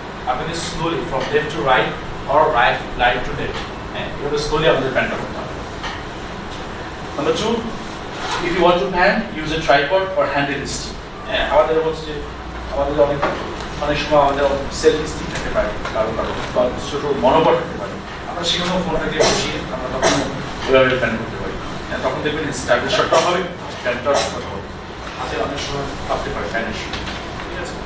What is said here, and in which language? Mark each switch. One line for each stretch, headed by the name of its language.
Bangla: আপনি slowly
English: from left to right or right light to left,
Bangla: হ্যাঁ slowly আমাদের প্যানটা করতে হবে।
English: If you want to pan, use a tripod or handheld stick.
Bangla: আমাদের হচ্ছে আমাদের অনেক অনেক সময় আমাদের সেলফি স্টিক থাকতে পারে কারো কারো বা ছোট মনোপট থাকতে পারে, আমরা সেখানেও ফোনটা দিয়ে বসিয়ে আমরা তখন এভাবে প্যান করতে পারি, তখন দেখবেন স্ট্যাবল শটটা হবে, প্যানটা শটটা হবে, হাতে অনেক সময় থাকতে পারে প্যানের সময়, ঠিক আছে।